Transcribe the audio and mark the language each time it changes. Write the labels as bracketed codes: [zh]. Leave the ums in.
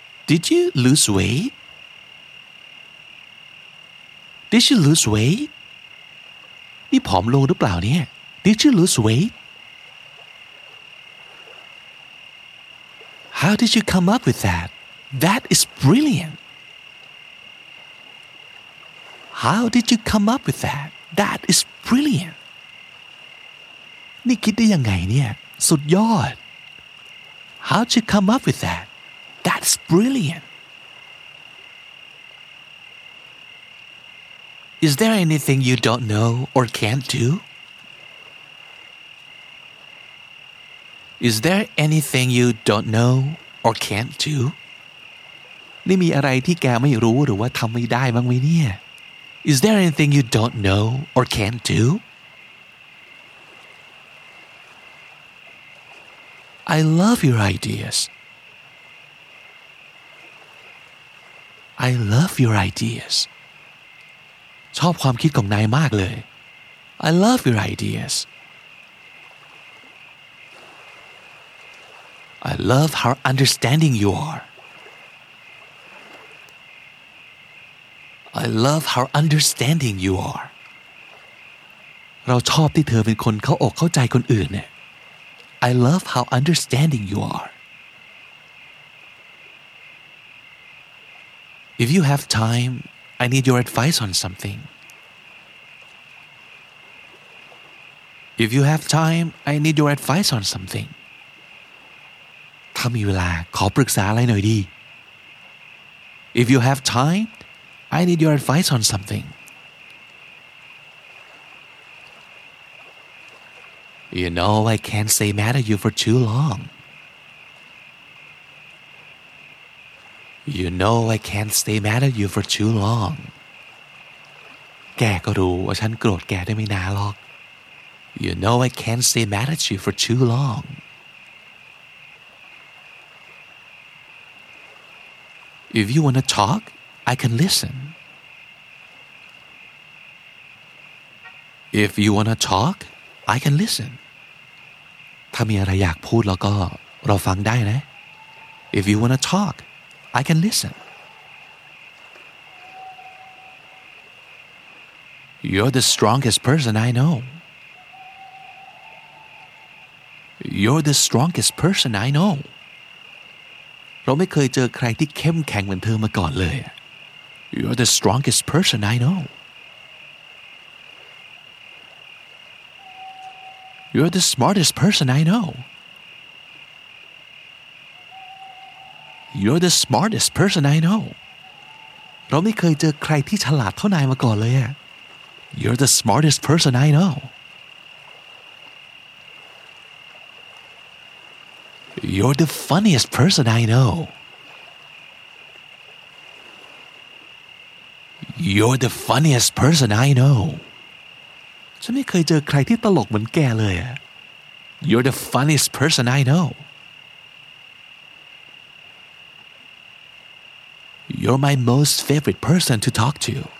[en] Did you lose weight? Did you lose weight? [th] นี่ผอมลงหรือเปล่าเนี่ย [en] Did you lose weight? How did you come up with that? That is brilliant. How did you come up with that? That is brilliant. [th] นี่คิดได้ยังไงเนี่ยสุดยอด [en] How did you come up with that? That's brilliant. Is there anything you don't know or can't do? Is there anything you don't know or can't do? [th] นี่มีอะไรที่แกไม่รู้หรือว่าทำไม่ได้บ้างไหมเนี่ย [en] Is there anything you don't know or can't do? I love your ideas. I love your ideas. [th] ชอบความคิดของนายมากเลย [en] I love your ideas. I love how understanding you are. I love how understanding you are. [th] เราชอบที่เธอเป็นคนเข้าอกเข้าใจคนอื่นเนี่ย [en] I love how understanding you are. If you have time, I need your advice on something. If you have time, I need your advice on something. [th] ถ้ามีเวลาขอปรึกษาอะไรหน่อยดี [en] If you have time I need your advice on something You know I can't stay mad at you for too long You know I can't stay mad at you for too long [th] แกก็รู้ว่าฉันโกรธแกได้ไม่นานหรอก [en] You know I can't stay mad at you for too long If you want to talk, I can listen. If you want to talk, I can listen. [th] ถ้ามีอะไรอยากพูดแล้วก็เราฟังได้นะ [en] If you want to talk, I can listen. You're the strongest person I know. You're the strongest person I know. [th] เราไม่เคยเจอใครที่เข้มแข็งเหมือนเธอมาก่อนเลย [en] You're the strongest person I know You're the smartest person I know You're the smartest person I know [th] เราไม่เคยเจอใครที่ฉลาดเท่านายมาก่อนเลยอะ [en] You're the smartest person I know You're the funniest person I know. You're the funniest person I know. [th] ฉันไม่เคยเจอใครที่ตลกเหมือนแกเลยอะ [en] You're the funniest person I know. You're my most favorite person to talk to.